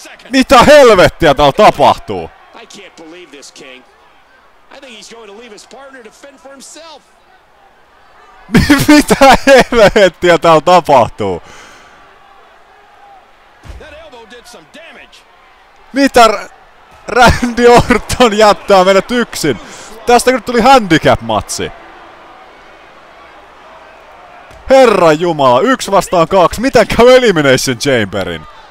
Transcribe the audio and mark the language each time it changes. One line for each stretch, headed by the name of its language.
Finnish: Mitä helvettiä täällä tapahtuu?
English: I can't believe this, King. I think he's going to leave his partner to fend for himself.
Finnish: Mitä helvettiä täällä tapahtuu?
English: That elbow did some damage.
Finnish: Mitä Randy Orton jättää meidät yksin? Tästä kun tuli handicap-matsi. Herranjumala, yksi vastaan kaksi. Miten käy Elimination Chamberin?